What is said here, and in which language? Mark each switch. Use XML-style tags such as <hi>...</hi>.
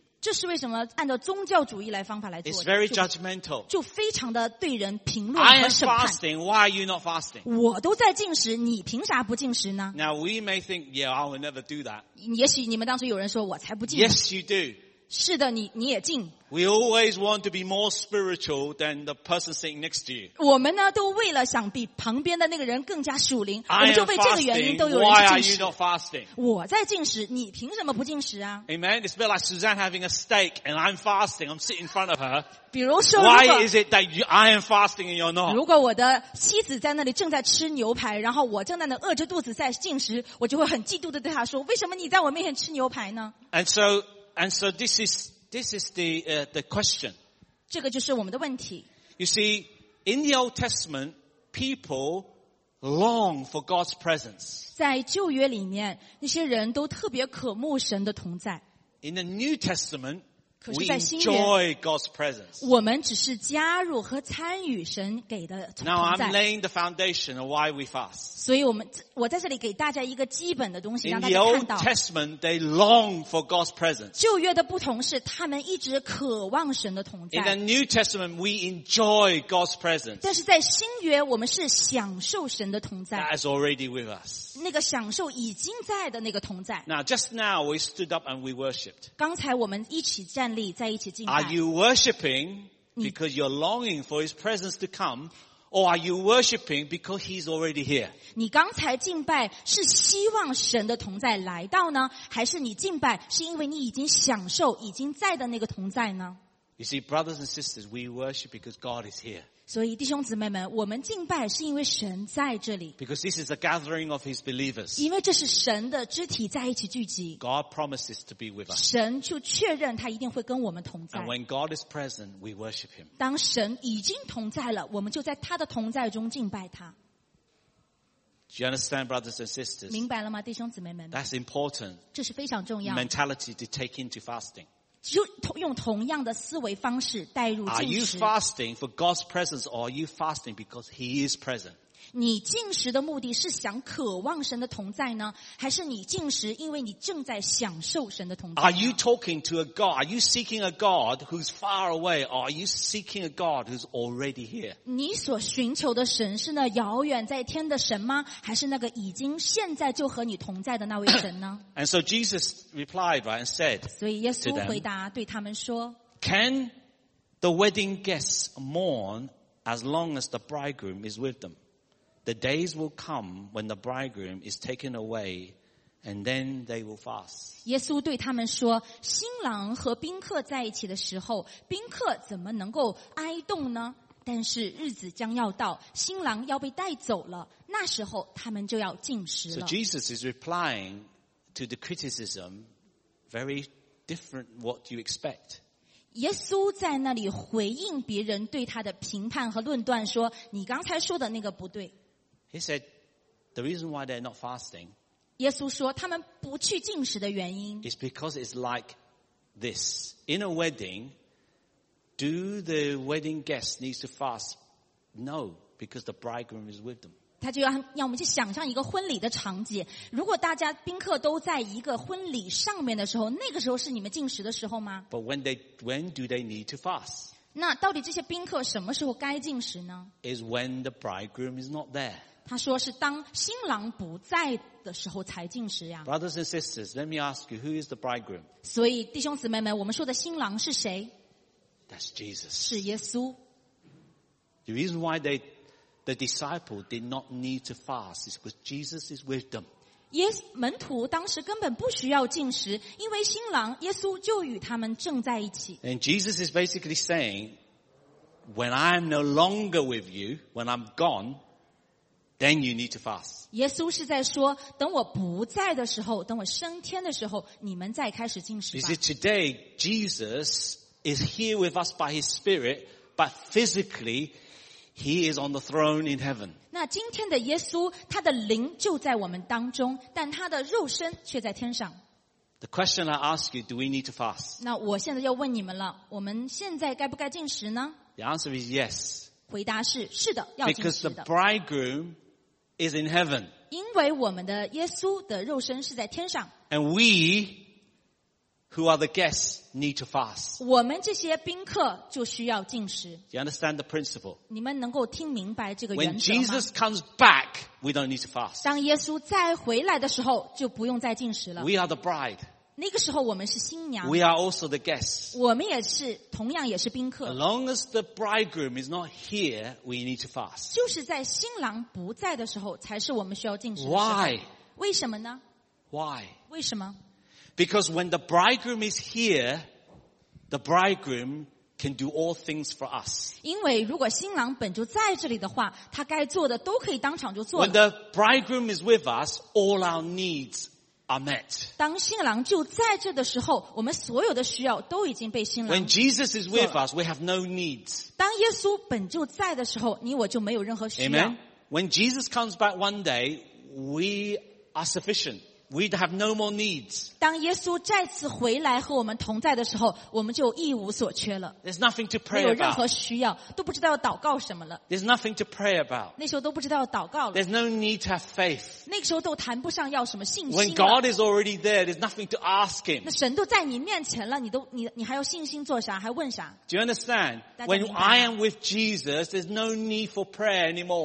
<zh>这是为什么按照宗教主义来方法来做的</zh> <en>？It's very judgmental.</en> <zh>就非常的对人评论和审判。</zh> <en>I am fasting. Why are you not fasting?</en> <zh>我都在进食，你凭啥不进食呢</zh> <en>？Now we may think, yeah, I will never do that.</en> <zh>也许你们当时有人说，我才不进。</zh> <en>Yes, you do.</en> <zh>是的，你也进。</zh> <en>We always want to be more spiritual than the person sitting next to you.</en> <zh>我们呢都为了想比旁边的那个人更加属灵，我们就为这个原因都有人进食。</zh> <en>Why are you not fasting?</en> <zh>我在进食，你凭什么不进食啊</zh> <en>？Amen. It's a bit like Suzanne having a steak and I'm fasting. I'm sitting in front of her.</en> <zh>比如说</zh> <en>，Why is it that I am fasting and you're not?</en> <zh>如果我的妻子在那里正在吃牛排，然后我正在那饿着肚子在进食，我就会很嫉妒的对她说：“为什么你在我面前吃牛排呢</zh> <en>？”And so this is the question.</en> <zh>这个就是我们的问题。</zh> <en>You see, in the Old Testament, people long for God's presence.</en> <zh>在旧约里面，那些人都特别渴慕神的同在。</zh> <en>In the New Testament,</en> <zh>可是在新约</zh> <en>we enjoy God's presence.</en> <zh>我们只是加入和参与神给的同在。</zh> <en>Now I'm laying the foundation of why we fast.</en> <zh>所以我在这里给大家一个基本的东西，让大家看到。</zh> <en>In the Old Testament, they long for God's presence.</en> <zh>旧约的不同是，他们一直渴望神的同在。</zh> <en>In the New Testament, we enjoy God's presence.</en> <zh>但是在新约，我们是享受神的同在。</zh> <en>That is already with us.</en> <zh>那个享受已经在的那个同在。</zh> <en>Now, just now, we stood up and we worshipped.</en> <zh>刚才我们一起站立，在一起敬拜。</zh> <en>Are you worshipping because you're longing for His presence to come? Or are you worshipping because He's already here?</en> <zh>你刚才敬拜是希望神的同在来到呢，还是你敬拜是因为你已经享受已经在的那个同在呢？</zh> <en>You see, brothers and sisters, we worship because God is here.</en> <zh>所以弟兄姊妹们，我们敬拜是因为神在这里。</zh> <en>Because this is a gathering of His believers.</en> <zh>因为这是神的肢体在一起聚集。</zh> <en>God promises to be with us.</en> <zh>神就确认他一定会跟我们同在。</zh> <en>And when God is present, we worship Him.</en> <zh>当神已经同在了，我们就在他的同在中敬拜他。</zh> <en>Do you understand, brothers and sisters?</en> <zh>明白了吗，弟兄姊妹们？</zh> <en>That's important.</en> <zh>这是非常重要。</zh> <en>Mentality to take into fasting.</en> <zh>就用同样的思维方式带入进食。</zh> <en>Are you fasting for God's presence or are you fasting because He is present?</en> <zh>你进食的目的是想渴望神的同在呢，还是你进食因为你正在享受神的同在呢？</zh> <en>Are you talking to a God? Are you seeking a God who's far away or are you seeking a God who's already here?</en> <zh>你所寻求的神是那遥远在天的神吗？还是那个已经现在就和你同在的那位神呢？</zh> <en>And so Jesus replied, right, and said,</en> <zh>所以耶稣回答对他们说，</zh> <en>Can the wedding guests mourn as long as the bridegroom is with them? The days will come when the bridegroom is taken away, and then they will fast.</en> <zh>耶稣对他们说，新郎和宾客在一起的时候，宾客怎么能够哀动呢？但是日子将要到，新郎要被带走了，那时候他们就要禁食了。</zh> <en>So Jesus is replying to the criticism very different what you expect.</en> <zh>耶稣在那里回应别人对他的评判和论断说，你刚才说的那个不对。</zh> <en>He said, the reason why they're not fasting</en> <zh>耶稣说他们不去禁食的原因</zh> <en>is because it's like this. In a wedding,Do the wedding guests need to fast? No, because the bridegroom is with them.</en> <zh>他就要我们去想象一个婚礼的场景。如果大家宾客都在一个婚礼上面的时候，那个时候是你们禁食的时候吗？</zh> <en>But when do they need to fast?</en> <zh>那到底这些宾客什么时候该禁食呢？</zh> <en>Is when the bridegroom is not there.</en> <zh>他说是当新郎不在的时候才禁食呀。</zh> <en>Brothers and sisters, let me ask you, who is the bridegroom?</en> <zh>所以弟兄姊妹们，我们说的新郎是谁？</zh> <en>That's Jesus.</en> <zh>是耶稣。</zh> <en>The reason why the disciple did not need to fast is because Jesus is with them.</en> <zh>门徒当时根本不需要禁食，因为新郎耶稣就与他们正在一起。</zh> <en>And Jesus is basically saying, when I'm no longer with you, when I'm gone, then you need to fast.</en> <zh>耶稣是在说，等我不在的时候，等我升天的时候，你们再开始禁食吧。</zh> <en>Is it today, Jesus? Is here with us by His Spirit, but physically, He is on the throne in heaven.</en> <zh>那今天的耶稣，他的灵就在我们当中，但他的肉身却在天上。</zh> <en>The question I ask you: Do we need to fast?</en> <zh>那我现在要问你们了，我们现在该不该禁食呢？</zh> <en>The answer is yes.</en> <zh>回答是是的，要禁食的。</zh> <en>Because the bridegroom is in heaven.</en> <zh>因为我们的耶稣的肉身是在天上。</zh> <en>And we. Who are the guests need to fast?</en> <zh>我们这些宾客就需要禁食。</zh> <en>You understand the principle?</en> <zh>你们能够听明白这个原则吗？</zh> <en>When Jesus comes back, we don't need to fast.</en> <zh>当耶稣再回来的时候，就不用再禁食了。</zh> <en>We are the bride.</en> <zh>那个时候我们是新娘。</zh> <en>We are also the guests.</en> <zh>我们也是，同样也是宾客。</zh> <en>As long as the bridegroom is not here, we need to fast.</en> <zh>就是在新郎不在的时候，才是我们需要禁食的时候。</zh> <en>Why?</en> <zh>为什么呢？</zh> <en>Why?</en> <zh>为什么？</zh> <en>Because when the bridegroom is here, the bridegroom can do all things for us.</en> <zh>因为如果新郎本就在这里的话，他该做的都可以当场就做了。</zh> <en>When the bridegroom is with us, all our needs are met.</en> <zh>当新郎就在这的时候，我们所有的需要都已经被新郎。</zh> <en>When Jesus is with us, we have no needs.</en> <zh>当耶稣本就在的时候，你我就没有任何需要。</zh> <en>Amen. When Jesus comes back one day, we are sufficient. We have no more needs.</en> <zh>当耶稣再次回来和我们同在的时候，我们就一无所缺了。</zh> <en>There's nothing to pray about.</en> <zh>没有任何需要，都不知道要祷告什么了。</zh> <en>There's nothing to pray about.</en> <zh>那时候都不知道要祷告了。</zh> <en>There's no need to have faith.</en> <zh>那个时候都谈不上要什么信心。</zh> <en>When God is already there, there's nothing to ask Him.</en> <zh>那神都在你面前了，你还要信心做啥？还问啥？</zh> <en>Do you understand? When I am with Jesus, there's no need for prayer anymore.</en>